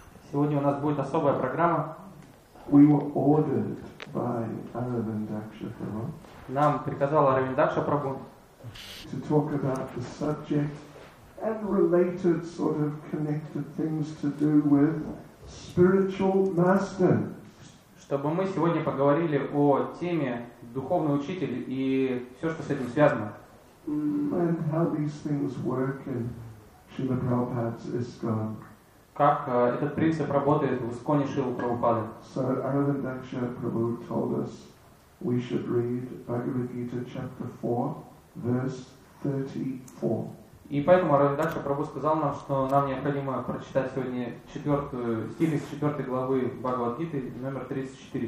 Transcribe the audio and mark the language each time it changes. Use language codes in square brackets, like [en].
[ru] Сегодня у нас будет особая программа. [en] We were ordered by Aravindaksha Prabhu. [ru] Нам приказал Аравиндакша Прабху. [en] To talk about the subject and related sort of connected things to do with spiritual master. [ru] Чтобы мы сегодня поговорили о теме духовный учитель и все, что с этим связано. [en] And how these things work in Srila Prabhupada's ISKCON. [ru] Как этот принцип работает в исконе Шрилы Прабхупады. [en] So Aravindaksha Prabhu told us we should read Bhagavad Gita chapter 4, verse 34. [ru] И поэтому Aravindaksha Prabhu сказал нам, что нам необходимо прочитать сегодня стих из 4 главы Бхагавад Гиты, номер 34